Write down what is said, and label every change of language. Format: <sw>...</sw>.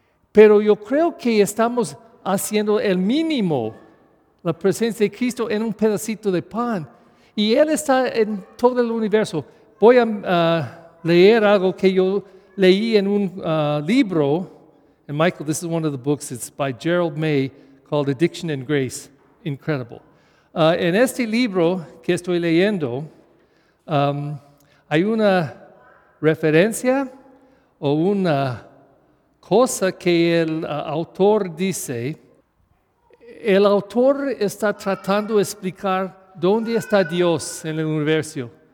<es>Pero yo creo que estamos haciendo el mínimo. La presencia de Cristo en un pedacito de pan. Y Él está en todo el universo. Voy a leer algo que yo leí en un libro.</es> <en>And Michael, this is one of the books. It's by Gerald May called Addiction and Grace. Incredible.</en> <es>En este libro que estoy leyendo, hay una referencia o una cosa que el autor dice. El autor está tratando de explicar dónde está Dios en el universo.</es>